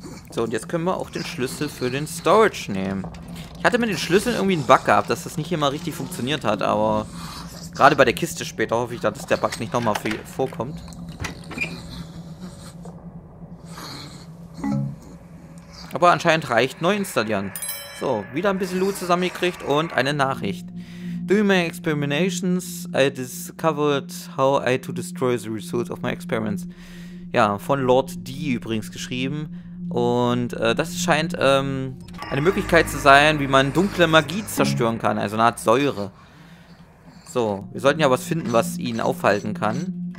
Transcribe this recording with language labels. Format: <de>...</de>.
<de>So, und jetzt können wir auch den Schlüssel für den Storage nehmen. Ich hatte mit den Schlüsseln irgendwie einen Bug gehabt, dass das nicht immer richtig funktioniert hat, aber gerade bei der Kiste später hoffe ich, dass der Bug nicht nochmal vorkommt. Aber anscheinend reicht neu installieren. So, wieder ein bisschen Loot zusammengekriegt und eine Nachricht.</de> <en>During my experiments, I discovered how I to destroy the results of my experiments.</en> <de>Ja, von Lord D übrigens geschrieben. Und das scheint eine Möglichkeit zu sein, wie man dunkle Magie zerstören kann. Also eine Art Säure. So, wir sollten ja was finden, was ihn aufhalten kann.</de>